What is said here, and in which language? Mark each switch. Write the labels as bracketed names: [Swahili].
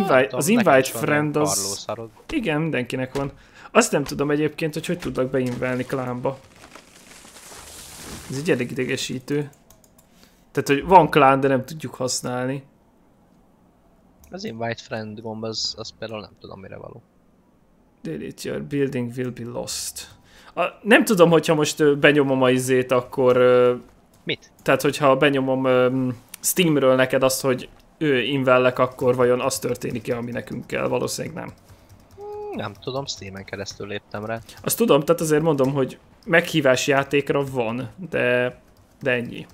[Hungarian] Az invite friend az... igen, mindenkinek van. Azt nem tudom egyébként, hogy tudok beinvelni klánba. Ez egy elég idegesítő. Tehát, hogy van klán, de nem tudjuk használni. Az invite friend gomb, az például nem tudom mire való. [English] Delete your building will be lost. [Hungarian] Nem tudom, hogyha most benyomom a izét, akkor... mit? Tehát, hogyha benyomom Steamről neked azt, hogy ő invellek, akkor vajon az történik-e, ami nekünk kell? Valószínűleg nem. Nem tudom, Steamen keresztül léptem rá. Azt tudom, tehát azért mondom, hogy meghívás játékra van, de ennyi.